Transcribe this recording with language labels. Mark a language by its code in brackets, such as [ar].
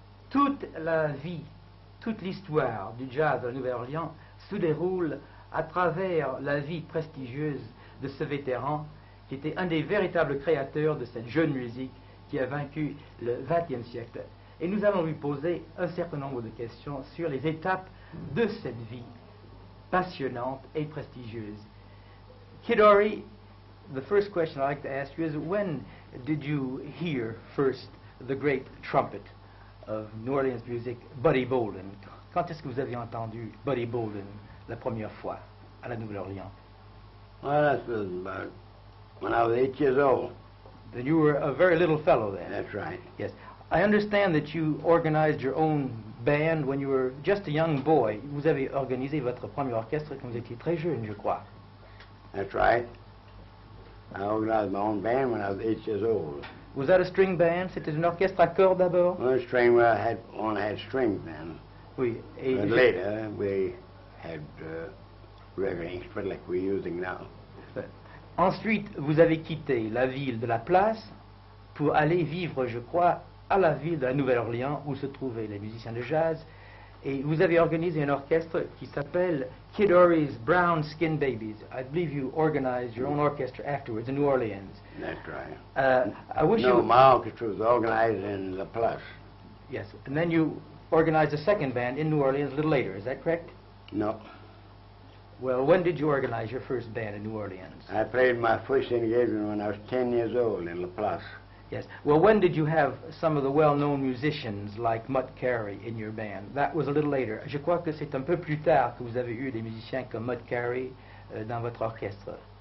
[fr] Toute la vie, toute l'histoire du jazz de la Nouvelle-Orient se déroule à travers la vie prestigieuse de ce vétéran qui était un des véritables créateurs de cette jeune musique qui a vaincu le XXe siècle. Et nous allons lui poser un certain nombre de questions sur les étapes de cette vie passionnante et prestigieuse. [en] Kid Ory, the first question I'd like to ask you is, when did you hear first the great trumpet of New Orleans music, Buddy Bolden? [fr] Quand est-ce que vous avez entendu Buddy Bolden la première fois à la Nouvelle-Orient? [en] Well, that was about when I was 8 years old. Then you were a very little fellow then. That's right. Yes. I understand that you organized your own band when you were just a young boy. [fr] Vous avez organisé votre premier orchestre quand vous étiez très jeune, je crois. [en] That's right. I organized my own band when I was 8 years old. Was that a string band? [fr] C'était un orchestre à cordes d'abord? [en] Well, string, well, I had only had string then. [fr] Oui. [en] Et but later, we had regular instruments like we're using now. [fr] Ensuite, vous avez quitté la ville de La Place pour aller vivre, je crois, à la ville de la Nouvelle-Orléans où se trouvaient les musiciens de jazz, et vous avez organisé un orchestre qui s'appelle Kid Ory's Brown Skin Babies. [en] I believe you organized your own orchestra afterwards in New Orleans. That's right. My orchestra was organized in La Place. Yes, and then you organized a second band in New Orleans a little later, is that correct? No. Well, when did you organize your first band in New Orleans? I played my first engagement when I was 10 years old in La Place. Yes. Well, when did you have some of the well-known musicians like Mutt Carey in your band? That was a little later. [fr] Je crois que c'est un peu plus tard que vous avez eu des musiciens comme Mutt Carey dans votre orchestre.